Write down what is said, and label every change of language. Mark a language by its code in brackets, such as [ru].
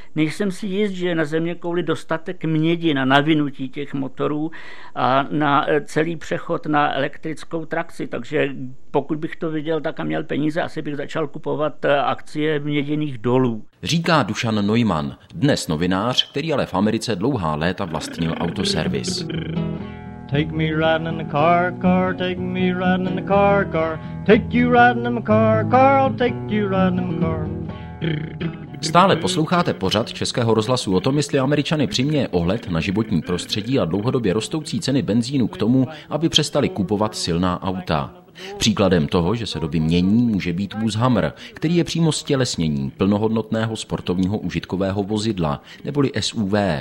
[cs] Nejsem si jist, že na země kouli dostatek mědi na navinutí těch motorů a na celý přechod na elektrickou trakci, takže pokud bych to viděl tak a měl peníze, asi bych začal kupovat akcie měděných dolů. Říká Dušan Neumann, dnes novinář, který ale v Americe dlouhá léta vlastnil autoservis. [en] Take me riding in the car, car, take me riding in the car, car. Take you riding in the car, car, I'll take you riding in the car. [cs] Stále posloucháte pořad Českého rozhlasu o tom, jestli Američany přiměje ohled na životní prostředí a dlouhodobě rostoucí ceny benzínu k tomu, aby přestali kupovat silná auta. Příkladem toho, že se doby mění, může být vůz Hummer, který je přímo stělesnění plnohodnotného sportovního užitkového vozidla, neboli SUV.